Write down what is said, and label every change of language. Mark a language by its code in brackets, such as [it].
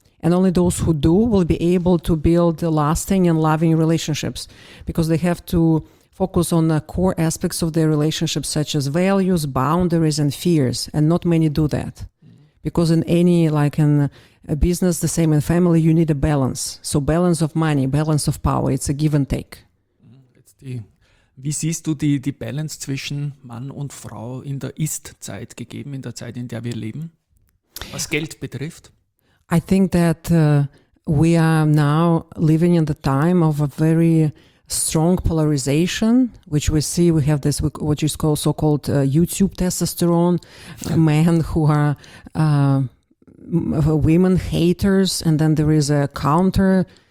[en] And only those who do will be able to build lasting and loving relationships, because they have to focus on the core aspects of their relationships, such as values, boundaries, and fears. And not many do that. Because in any, like in a business, the same in family, you need a balance. So balance of money, balance of power, it's a give and take. [de] Wie siehst du die Balance zwischen Mann und Frau in der Ist-Zeit gegeben, in der Zeit, in der wir leben, was Geld betrifft? [en] I think that we are now living in the time of a very strong polarization, which we see. We have this, what you call so-called YouTube testosterone, men who are women haters, and then there is a counter